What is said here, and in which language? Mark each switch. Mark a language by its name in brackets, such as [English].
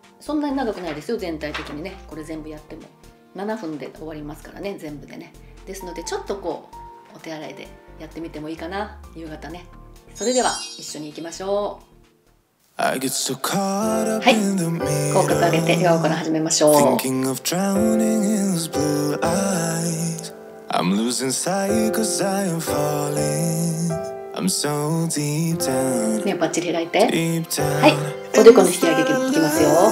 [Japanese] そんなに長くないですよ、全体的にね。これ全部やっても7分で終わりますからね、全部でね。ですのでちょっとこうお手洗いでやってみてもいいかな、夕方ね。それでは一緒に行きましょう。はい、口角上げて笑顔から始めましょう。 [English] Thinking of drowning in those blue eyes. I'm losing sight cause I am falling. I'm so deep down. [Japanese] 目をバッチリ開いて、はい、おでこの引き上げいきますよ。